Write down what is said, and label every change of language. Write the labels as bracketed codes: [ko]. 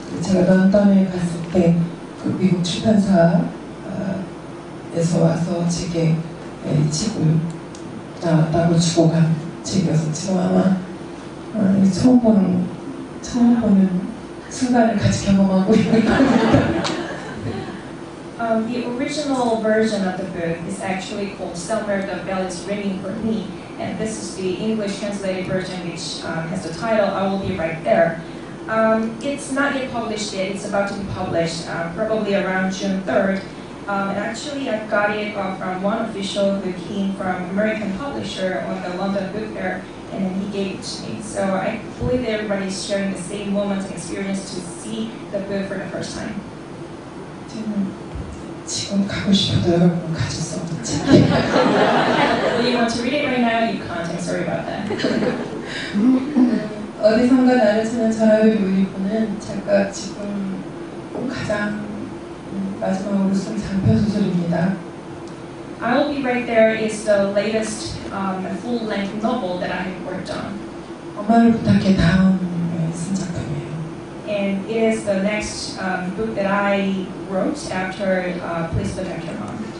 [ko] 제가 런던에 갔을 때 그 미국 출판사에서 와서 제게 책을 나왔다고 주고 간 책이어서 지금 아마 처음 보는 순간을 같이 경험하고 있는 것 같습니다. [en] The original version of the book is actually called Somewhere the Bell is Ringing for Me, and this is the English translated version which has the title I Will Be Right There. It's not yet published yet, it's about to be published probably around June 3rd. And actually, I got it from one official who came from American publisher on the London Book Fair, and then he gave it to me. So I believe that everybody's sharing the same moment and experience to see the book for the first time. [ko] 지금 가고 싶어도 여러분 가졌어. [en] Do you want to read it right now? You can't. I'm sorry about that. [ko] 어디선가 나를 찾는 전화벨 울리고는 작가 지금 가장 마지막으로 쓴 장편 소설입니다. [en] I Will Be Right There is the latest full-length novel that I have worked on. [ko] 엄마를 부탁해 다음에 쓴 작품이에요. [en] And it is the next book that I wrote after Please Protect Your Mom.